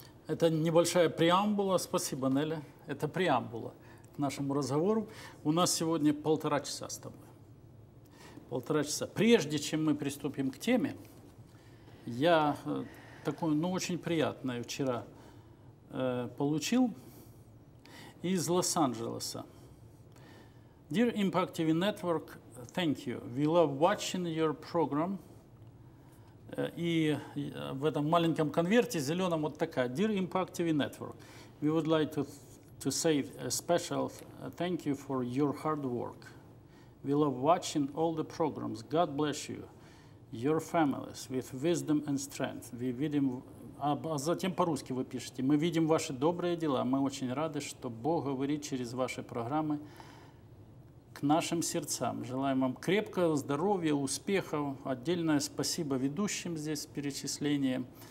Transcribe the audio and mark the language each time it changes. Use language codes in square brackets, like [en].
[ru] Это небольшая преамбула. Спасибо, Неля. Это преамбула к нашему разговору. У нас сегодня полтора часа с тобой. Полтора часа. Прежде чем мы приступим к теме, я такое, ну, очень приятное вчера получил из Лос-Анджелеса. [en] Dear Impact TV Network, thank you. We love watching your program. [ru] И в этом маленьком конверте зеленом вот такая. [en] Dear Impact TV Network, we would like to say a special thank you for your hard work. We love watching all the programs. God bless you, your families, with wisdom and strength. [ru] We видим, а затем по-русски вы пишете. Мы видим ваши добрые дела. Мы очень рады, что Бог говорит через ваши программы к нашим сердцам. Желаем вам крепкого здоровья, успехов. Отдельное спасибо ведущим здесь перечисление.